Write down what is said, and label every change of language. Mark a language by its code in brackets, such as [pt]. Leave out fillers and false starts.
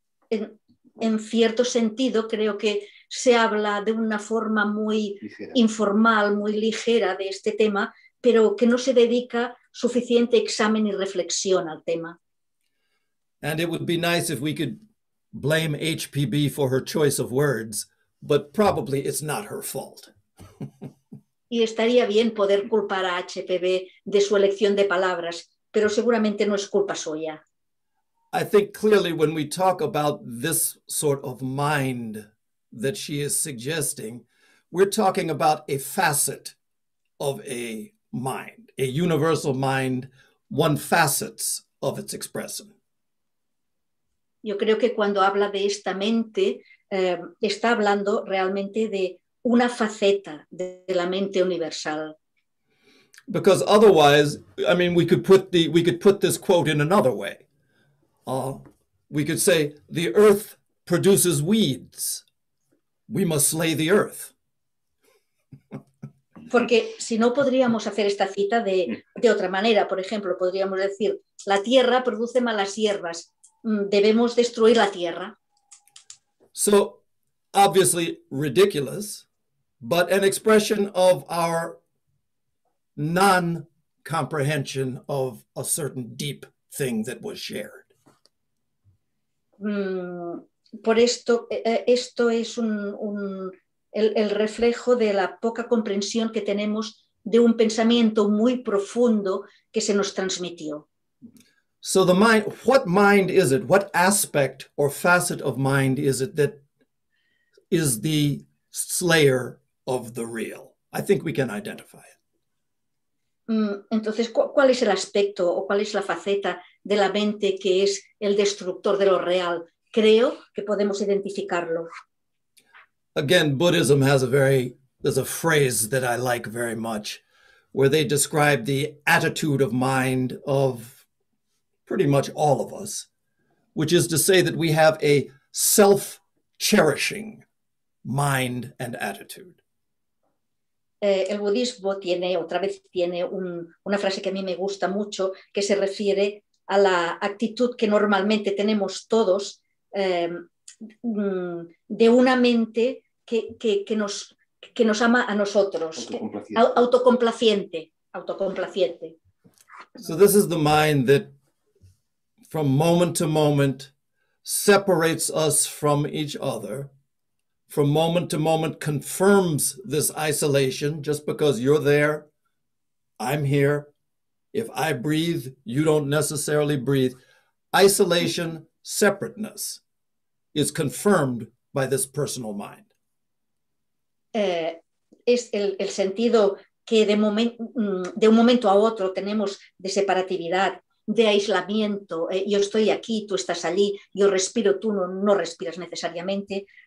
[es] En cierto sentido, creo que se habla de una forma muy informal, muy ligera de este tema, pero que no se dedica suficiente examen y reflexión al tema. [en] And it would be nice if we could blame HPB for her choice of words, but probably it's not her fault. [es] Y estaría bien poder culpar a HPB de su elección de palabras, pero seguramente no es culpa suya. [en] I think clearly when we talk about this sort of mind that she is suggesting, we're talking about a facet of a mind, a universal mind, one facets of its expression. [es] Yo creo que cuando habla de esta mente, está hablando realmente de una faceta de la mente universal. [en] Because otherwise, I mean, we could put this quote in another way. We could say, the earth produces weeds. We must slay the earth. [es] Porque si no, podríamos hacer esta cita de otra manera. Por ejemplo, podríamos decir, la tierra produce malas hierbas. Debemos destruir la tierra. [en] So, obviously ridiculous, but an expression of our non-comprehension of a certain deep thing that was shared. [es] Por esto, esto es el reflejo de la poca comprensión que tenemos de un pensamiento muy profundo que se nos transmitió. [en] So the mind, what mind is it? What aspect or facet of mind is it that is the slayer of the real? I think we can identify it. [es] Entonces, ¿cuál es el aspecto o cuál es la faceta de la mente que es el destructor de lo real? Creo que podemos identificarlo. [en] Again, Buddhism has there's a phrase that I like very much, where they describe the attitude of mind of pretty much all of us, which is to say that we have a self-cherishing mind and attitude. [es] El budismo tiene, otra vez tiene una frase que a mí me gusta mucho, que se refiere a la actitud que normalmente tenemos todos de una mente que nos ama a nosotros. Autocomplaciente. [en] So this is the mind that from moment to moment separates us from each other. From moment to moment confirms this isolation, just because you're there, I'm here. If I breathe, you don't necessarily breathe. Isolation, separateness is confirmed by this personal mind. [es] Es el sentido que de un momento a otro tenemos de separatividad, de aislamiento. Yo estoy aquí, tú estás allí, yo respiro, tú no respiras necesariamente.